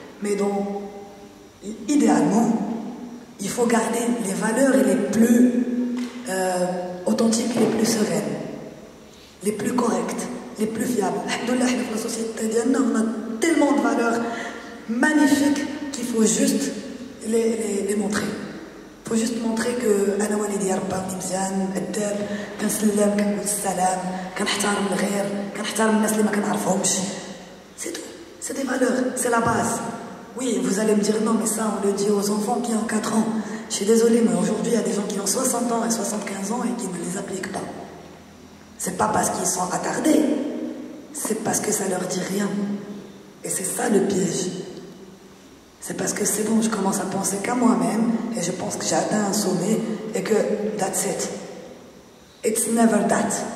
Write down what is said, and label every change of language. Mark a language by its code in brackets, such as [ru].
[fr] Mais donc, idéalement, il faut garder les valeurs les plus authentiques, les plus sereines, les plus correctes, les plus fiables. Alhamdoulilah, dans la société, on a tellement de valeurs magnifiques qu'il faut juste les montrer. Il faut juste montrer que [ar] أنا والدي رباني مزيان أدب كنسلم كنقول السلام كنحترم الغير كنحترم الناس اللي ما كنعرفهمش. [fr] C'est tout. C'est des valeurs. C'est la base. Oui, vous allez me dire non, mais ça on le dit aux enfants qui ont 4 ans. Je suis désolée, mais aujourd'hui il y a des gens qui ont 60 ans et 75 ans et qui ne les appliquent pas. C'est pas parce qu'ils sont attardés. C'est parce que ça leur dit rien. Et c'est ça le piège. C'est parce que c'est bon, je commence à penser qu'à moi-même et je pense que j'ai atteint un sommet et que [en] that's it. It's never that.